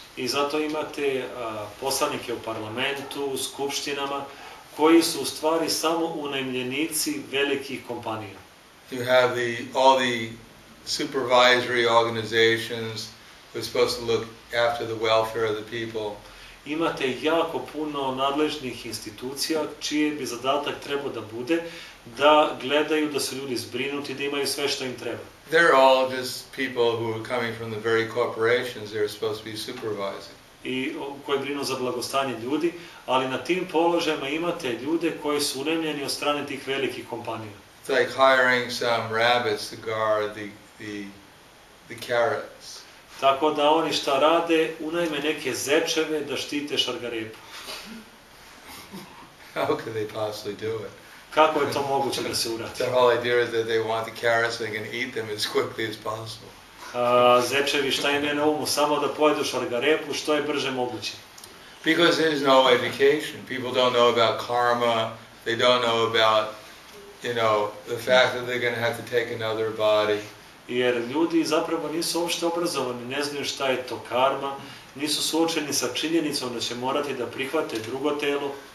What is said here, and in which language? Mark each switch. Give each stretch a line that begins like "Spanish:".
Serbian: I zato imate poslanike u parlamentu, u skupštinama, koji su u stvari samo unajmljenici velikih kompanija.
English: You have all the supervisory organizations who are supposed to look after the welfare of the people.
Serbian: Imate jako puno nadležnih institucija čiji bi zadatak trebao da bude da gledaju da su ljudi zbrinuti, da imaju sve što im treba.
English: They're all just people who are coming from the very corporations they're supposed to be supervising.
Serbian: I koji brinu za blagostanje ljudi, ali na tim položajima imate ljude koji su unajmljeni od strane tih velikih kompanija.
English: It's like hiring some rabbits to guard the carrots.
Serbian: Tako da oni šta rade, unajme neke zečeve da štite šargarepu.
English: How could they possibly do it?
Serbian: Kako je to moguće da se uradi?
English: The whole idea is that they want the carrots so they can eat them as quickly as possible.
Serbian: Zečevi šta im je na umu, samo da pojedu šargarepu što je brže moguće.
English: Because there is no education. People don't know about karma, they don't know about, you know, the fact that they're going to have to take another body.
Serbian: Jer ljudi zapravo nisu uopšte obrazovani, ne znaju šta je to karma, nisu suočeni sa činjenicom da će morati da prihvate drugo telo.